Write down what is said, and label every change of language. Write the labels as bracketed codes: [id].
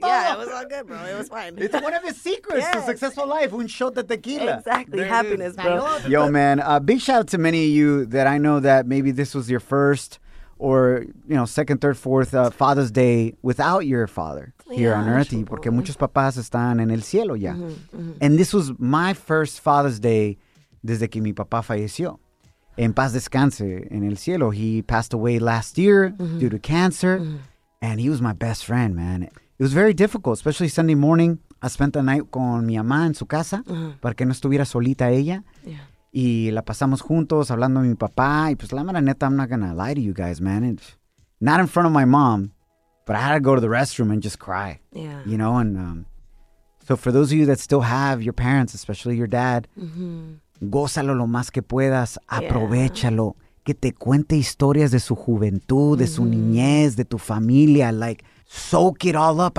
[en] Yeah, it was all good, bro. It was fine. It's one of his secrets to successful life. [es] Un shot de tequila. [en] Exactly. There happiness, bro. Yo, man, big shout out to many of you that I know that maybe this was your first or, you know, second, third, fourth Father's Day without your father here on Earth. [es] Porque muchos papás están en el cielo ya. Mm-hmm, mm-hmm. [en] And this was my first Father's Day [es] desde que mi papá falleció. En paz descanse, en el cielo. [en] He passed away last year due to cancer. Mm-hmm. And he was my best friend, man. It was very difficult, especially Sunday morning. I spent the night [es] con mi mamá en su casa para que no estuviera solita ella. [en] Yeah. [es] Y la pasamos juntos hablando de mi papá. Y pues la mera neta, [en] I'm not gonna lie to you guys, man. It's not in front of my mom, but I had to go to the restroom and just cry. Yeah. You know, and so for those of you that still have your parents, especially your dad, [es] gózalo lo más que puedas, aprovechalo, que te cuente historias de su juventud, de su niñez, de tu familia, [en] like, soak it all up.